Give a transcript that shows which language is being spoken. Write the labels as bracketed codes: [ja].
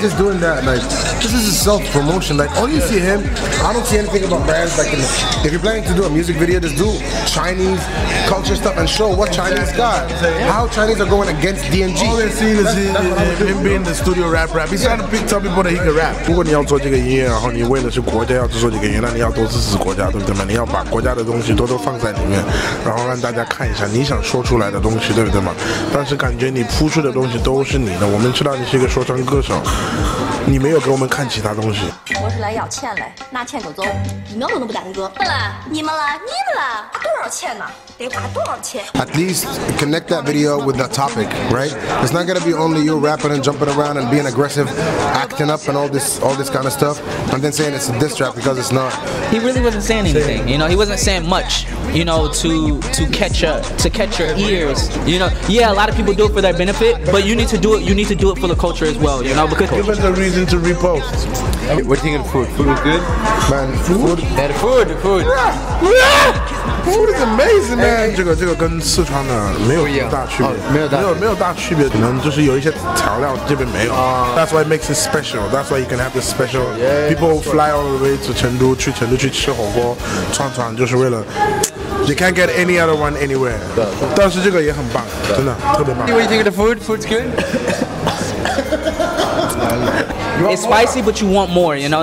[en] Just doing that, like, this is a self-promotion. Like, all you see him, I don't see anything about brands. Like, if you're planning to do a music video, just do Chinese culture stuff and show what Chinese got. How Chinese are going against D&G. All they see is him being the studio rap. He's trying to pick some people that he can rap. [zh] 如果你要做这个音乐，然后你为了是国家要做这个音乐，那你要多支持国家，对不对嘛？你要把国家的东西多多放在里面，然后让大家看一下你想说出来的东西，对不对嘛？但是感觉你铺出的东西都是你的，我们知道你是一个说唱歌手，你没有给我们看其他东西。我是来要钱的，拿钱就走，一秒钟都不耽搁。你们了，多少钱呢？得花多少钱 [en] ？At least connect that video with the topic, right? It's not gonna be only you rapping and jumping around and being aggressive, acting up and all this kind of stuff, and then saying it's a diss track because it's not. He really wasn't saying anything, you know. He wasn't saying much, you know, to catch your ears, you know. Yeah, a lot of people do it for their benefit, but you need to do it. You need to do it for the culture as well, you know. Because give us a reason to repost. What do you think of food? Food was good, man. Food. Better food. Food. Food is amazing, man. [zh] 这个跟四川的没有大区别，没有大区别，可能就是有一些调料这边没有。 [en] That's why it makes it special. That's why you can have the special. People fly all the way to [zh] 成都，去成都去吃火锅串串，就是为了 [en] you can't get any other one anywhere. [zh] 但是这个也很棒，真的特别棒。 [en] What do you think of the food? Food's good. It's spicy, but you want more, you know?